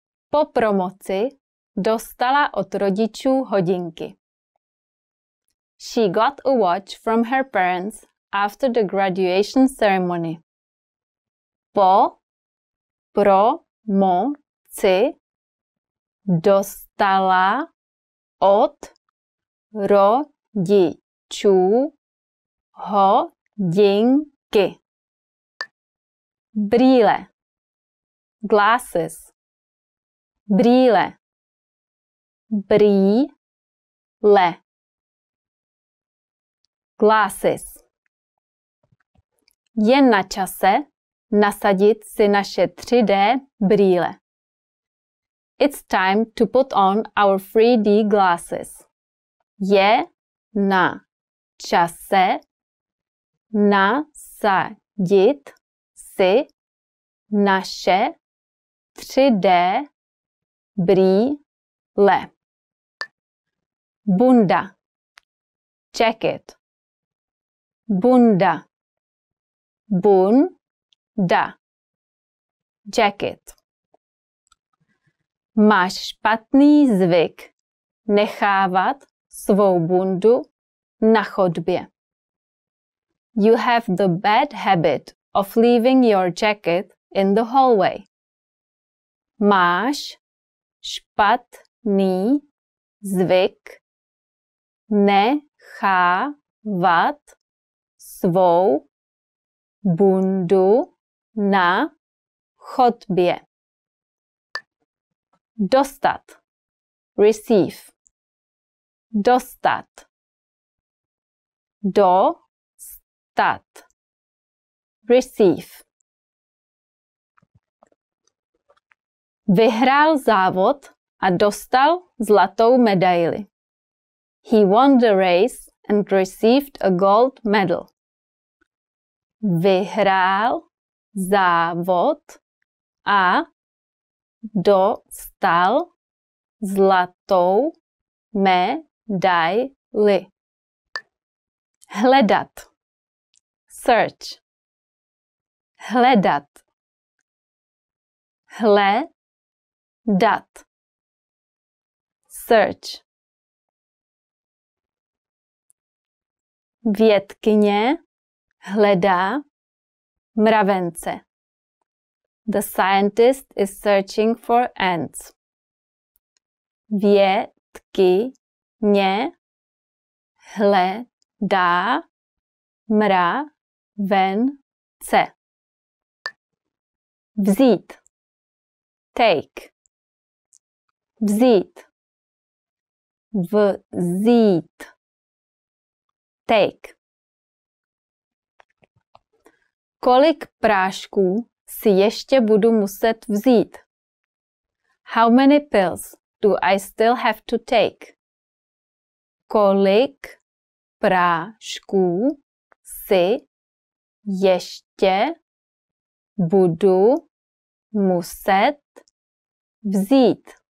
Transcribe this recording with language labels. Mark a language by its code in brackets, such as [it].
[cs] Po promoci dostala od rodičů hodinky. [en] She got a watch from her parents after the graduation ceremony. [cs] Po promoci dostala od rodičů hodinky. Brýle. [en] Glasses. [cs] Brýle. Brýle. [en] Glasses. [cs] Je na čase nasadit si naše 3D brýle. [en] It's time to put on our 3D glasses. [cs] Je na čase nasadit si naše 3D brýle. Bunda. [en] Jacket. [cs] Bunda. Bunda. [en] Jacket. [cs] Máš špatný zvyk nechávat svou bundu na chodbě. [en] You have the bad habit of leaving your jacket in the hallway. [cs] Máš špatný zvyk nechávat svou bundu na chodbě. Dostat. [en] Receive. [cs] Dostat. Dostat. [en] Receive. [cs] Vyhrál závod a dostal zlatou medaili. [en] He won the race and received a gold medal. [cs] Vyhrál závod a dostal zlatou medaili. Hledat. [en] Search. [cs] Hledat. Hledat. [en] Search. [cs] Vědkyně hledá mravence. [en] The scientist is searching for ants. [cs] Vědkyně hledá mravence. Vzít. [en] Take. [cs] Vzít. Vzít. [en] Take. [cs] Kolik prášků si ještě budu muset vzít? [en] How many pills do I still have to take? [cs] Kolik prášků si ještě budu muset vzít?